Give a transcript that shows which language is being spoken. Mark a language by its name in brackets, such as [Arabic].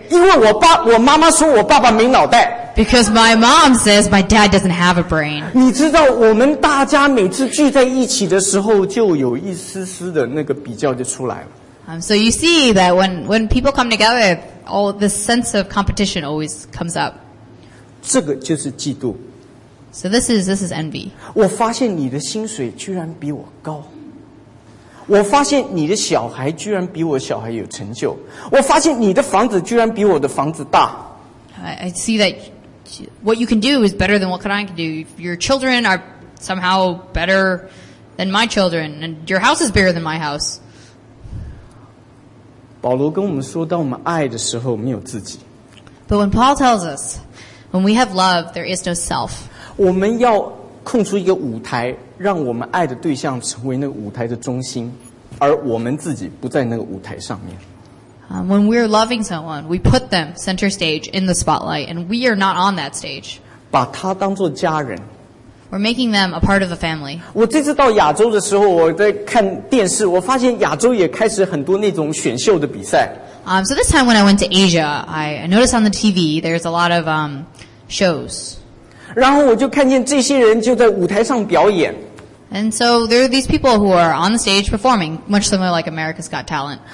[Chinese] 因为我妈妈说我爸爸没脑袋。 [English] Because my mom says my dad doesn't have a brain. [Chinese] 你知道我们大家每次聚在一起的时候就有一丝丝的那个比较就出来了。 [English] So you see that when people come together, all the sense of competition always comes up. [Chinese] 这个就是嫉妒。 [English] So this is envy. [Chinese] 我发现你的薪水居然比我高。我发现你的小孩居然比我小孩有成就。我发现你的房子居然比我的房子大。 [English] I see that what you can do is better than what I can do. Your children are somehow better than my children, and your house is bigger than my house. [Chinese] 保罗跟我们说当我们爱的时候没有自己。 [English] But when Paul tells us, when we have love, there is no self. [Chinese] 我们要空出一个舞台让我们爱的对象成为那个舞台的中心而我们自己不在那个舞台上面。 [English] When we are loving someone, we put them center stage in the spotlight and we are not on that stage. [Chinese] 把他当作家人。 [English] We're making them a part of the family. [Chinese] 我这次到亚洲的时候，我在看电视，我发现亚洲也开始很多那种选秀的比赛。 [English] So this time when I went to Asia, I noticed on the TV there's a lot of shows. [Chinese] 然后我就看见这些人就在舞台上表演。 [English] And so there are these people who are on the stage performing, much similar like America's Got Talent.